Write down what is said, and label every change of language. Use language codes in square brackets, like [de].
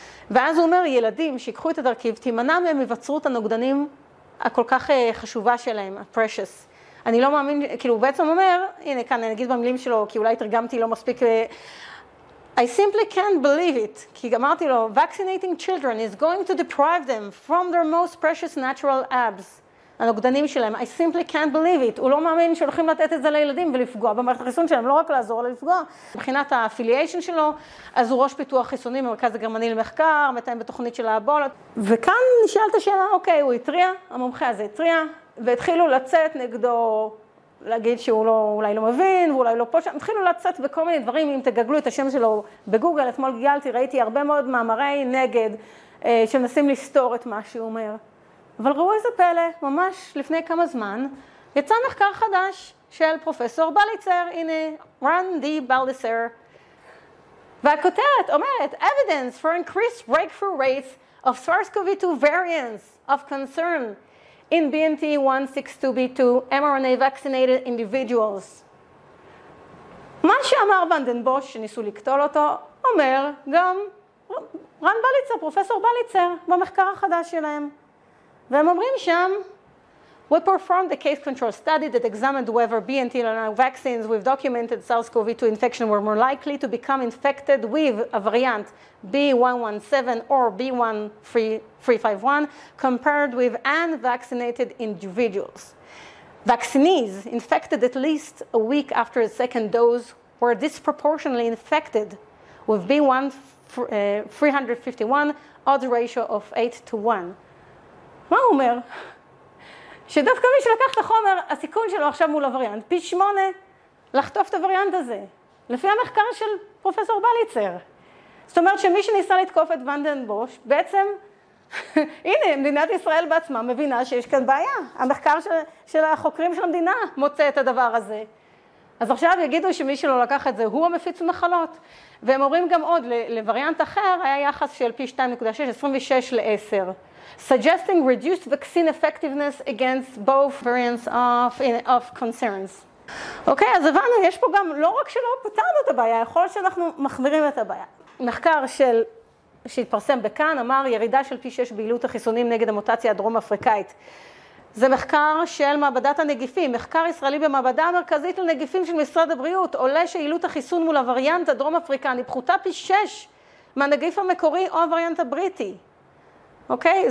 [he] ואז הוא אומר, ילדים שיקחו את התרכיב, תימנע מהם מבצרות הנוגדנים הכל כך חשובה שלהם, ה-precious. אני לא מאמין, כאילו הוא בעצם אומר, הנה כאן אני אגיד במילים שלו, כי אולי התרגמתי לא מספיק, [en] I simply can't believe it, [he] כי אמרתי לו, [en] vaccinating children is going to deprive them from their most precious natural abs. [he] הנוגדנים שלהם, [en] I simply can't believe it. [he] הוא לא מאמין שהולכים לתת את זה לילדים ולפגוע במערכת החיסון שלהם, לא רק לעזור אלא לפגוע. מבחינת האפיליאשן שלו, אז הוא ראש פיתוח חיסונים במרכז הגרמני למחקר, מתאם בתוכנית של האבולות. וכאן נשאלת השאלה, אוקיי, הוא התריע, המומחה הזה התריע, והתחילו לצאת נגדו, להגיד שהוא לא, אולי לא מבין, ואולי לא פושע, התחילו לצאת בכל מיני דברים, אם תגגלו את השם שלו בגוגל, אתמול גילתי, ראיתי הרבה מאוד מאמרי נגד, שמנסים לסתור את מה שהוא אומר. אבל ראו איזה פלא, ממש לפני כמה זמן, יצא מחקר חדש של פרופסור בליצר, הנה, רן די בליצר, והכותרת אומרת, [en] evidence for increased breakthrough rates of SARS-CoV-2 variants of concern in BNT162B2 mRNA vaccinated individuals. [he] מה שאמר ונדנבוש, שניסו לקטול אותו, אומר גם רן בליצר, פרופסור בליצר, במחקר החדש שלהם. והם אומרים שם, [en] we performed a case control study that examined whether BNT vaccines with documented SARS-CoV-2 infection were more likely to become infected with a variant B117 or B1351 compared with unvaccinated individuals. Vaccinees infected at least a week after a second dose were disproportionately infected with B1351, odds ratio of 8-1. [he] מה הוא אומר? שדווקא מי שלקח את החומר, הסיכון שלו עכשיו מול הווריאנט, פי 8 לחטוף את הווריאנט הזה. לפי המחקר של פרופסור בליצר. זאת אומרת שמי שניסה לתקוף את ונדנבוש, בעצם, הנה, מדינת ישראל בעצמה מבינה שיש כאן בעיה. המחקר של החוקרים של המדינה מוצא את הדבר הזה. אז עכשיו יגידו שמי שלא לקח את זה, הוא המפיץ מחלות. והם אומרים גם עוד, לווריאנט אחר, היה יחס של פי 2.6, 26 ל-10. [en] Suggesting reduced vaccine effectiveness against both variants of concerns. [he] אוקיי, אז הבנו, יש פה גם, לא רק שלא פתרנו את הבעיה, יכול שאנחנו מחמירים את הבעיה. מחקר של, שהתפרסם בכאן, אמר ירידה של פי 6 בעילות החיסונים נגד המוטציה הדרום אפריקאית. זה מחקר של מעבדת הנגיפים, מחקר ישראלי במעבדה המרכזית לנגיפים של משרד הבריאות, עולה שעילות החיסון מול הווריאנט הדרום אפריקני, פחותה פי 6 מהנגיף המקורי או הווריאנט הבריטי. אוקיי?